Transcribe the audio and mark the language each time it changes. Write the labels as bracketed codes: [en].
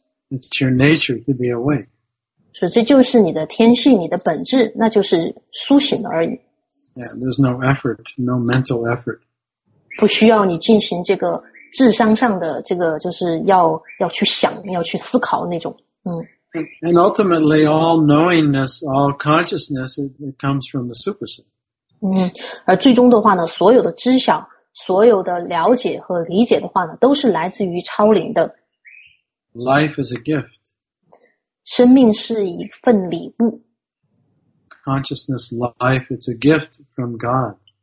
[en] It's your nature to be awake. [zh] 所以这就是你的天性，你的本质，那就是苏醒而已。 [en] Yeah, there's no effort, no mental effort. [zh] 不需要你进行这个智商上的这个，就是要去想，要去思考那种。 [en] And ultimately, all knowingness, all consciousness, it comes from the super soul. [zh] 而最终的话呢，所有的知晓、所有的了解和理解的话呢，都是来自于超灵的。 [en] Life is a gift. [zh] 生命是一份礼物。 [en] Consciousness, life, it's a gift from God.